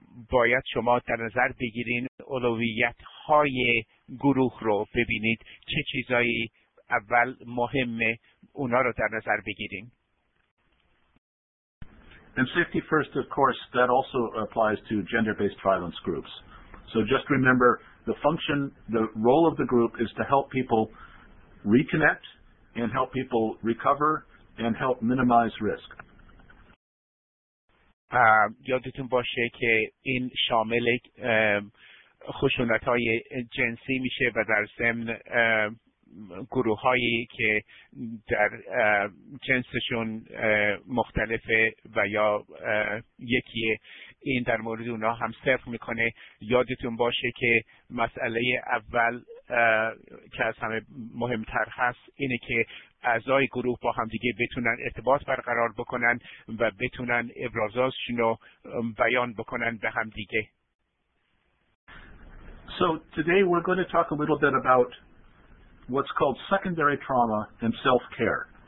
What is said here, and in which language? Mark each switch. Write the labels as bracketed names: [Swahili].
[Persian] باید شما در نظر بگیرین اولویت های گروه رو، ببینید چه چیزایی اول مهمه، اونا رو در نظر بگیرین. [English] And safety first, of course, that also applies to gender-based violence groups. So just remember the function, the role of the group is to help people reconnect and help people recover and help minimize risk. [Persian] یادتون باشه که این شامل خشونت‌های جنسی میشه و در ضمن گروه هایی که در جنسشون مختلفه و یا یکیه، این در مورد اونا هم صرف میکنه. یادتون باشه که مسئله اول که از همه مهمتر هست اینه که اعضای گروه با هم دیگه بتونن ارتباط برقرار بکنن و بتونن ابرازاتشون رو بیان بکنن به هم دیگه. [English] So today we're going to talk a little bit about what's called secondary trauma and self-care.